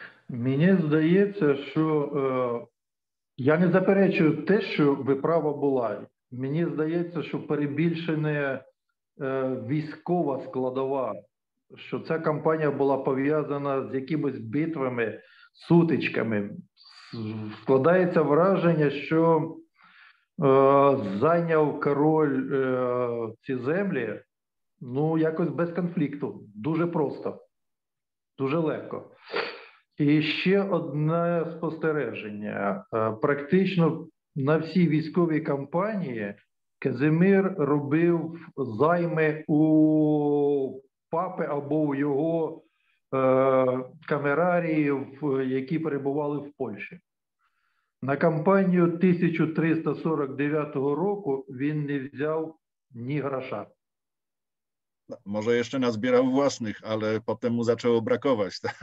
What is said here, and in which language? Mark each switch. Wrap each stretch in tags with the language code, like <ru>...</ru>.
<pl>Mnie zdaje się, że ja nie zaprzeczam te, że wyprawa była. Mnie zdaje się, że przebільшена wojskowa składowa, że ta kampania była powiązana z jakimiś bitwami, sutyczkami.</pl> <uk>Складається враження, що зайняв король ці землі, Ну, якось без конфлікту. Дуже просто. Дуже легко. І ще одне спостереження. Практично на всі військові кампанії Казимир робив займи у папи або у його камерарів, які перебували в Польщі. На кампанію 1349 року він не взяв ні гроша.</uk> <pl>Może jeszcze nazbierał własnych, ale potem mu zaczęło brakować.</pl>